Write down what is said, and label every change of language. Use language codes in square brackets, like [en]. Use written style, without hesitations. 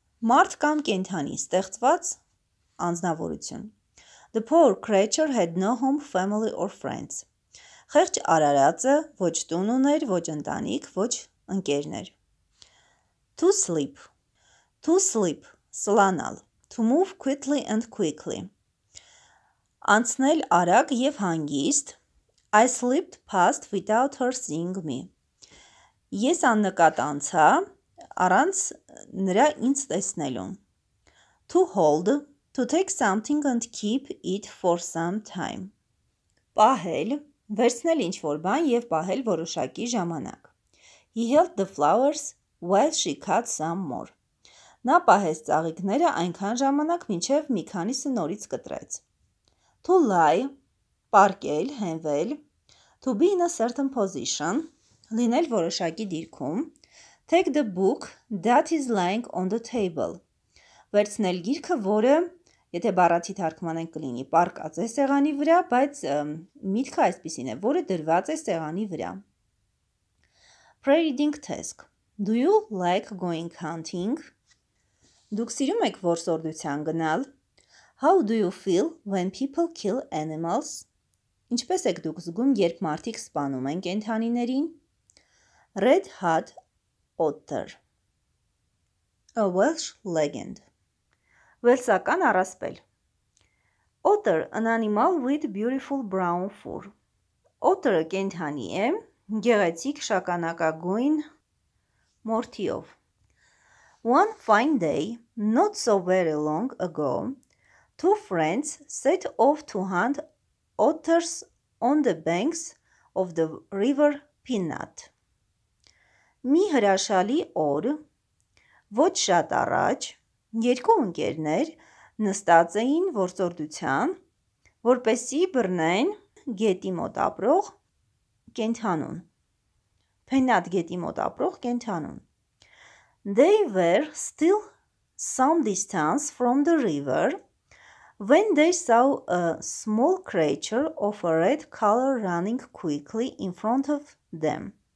[hy] Մարդ կամ կենդանի, ստեղծված անձնավորություն. [en] The poor creature had no home, family or friends. [hy] Խեղճ արարածը ոչ տուն ուներ, ոչ ընտանիք, ոչ ընկերներ. [en] To sleep. To sleep. [hy] Սլանալ. [en] To move quickly and quickly. [hy] Անցնել արագ եւ հանգիստ. [en] I slipped past without her seeing me. [hy] Ես աննկատ անցա, առանց նրա ինձ տեսնելու. [en] To hold. To take something and keep it for some time. [hy] Պահել. Վերցնել ինչ-որ բան եւ պահել որոշակի ժամանակ. [en] He held the flowers while she cut some more. [hy] Նա պահեց ծաղիկները այնքան ժամանակ, մինչեւ մի քանիսը նորից կտրեց. [en] To lie, [hy] պարկել, հենվել. [en] To be in a certain position, [hy] լինել որոշակի դիրքում. [en] Take the book that is lying on the table. [hy] Վերցնել գիրքը, որը Եթե բառացի թարգմանենք կլինի պարկած է սեղանի վրա, բայց միտքը այսպեսին է, որը դրված է սեղանի վրա. [en] Pre-reading task. Do you like going hunting? [hy] Դուք սիրում եք որսորդության գնալ? [en] How do you feel when people kill animals? [hy] Ինչպես եք դուք զգում, երբ մարդիկ սպանում են կենդանիներին? [en] Red Hot Otter. A Welsh legend. [hy] Վելսական առասպել. [en] Otter, an animal with beautiful brown fur. [hy] Otter-ը կենդանի է, գեղեցիկ շականակագույն մորթիով. [en] One fine day, not so very long ago, two friends set off to hunt otters on the banks of the river Peanut. [hy] Մի հրաշալի օր, ոչ շատ առաջ, Երկու ընկերներ նստած էին որսորդության, որպեսի բռնեն գետի մոտ ապրող կենդանուն։ [en] Փենատ գետի մոտ ապրող կենդանուն։ They were still some distance from the river when they saw a small creature of a red color running quickly in front of them.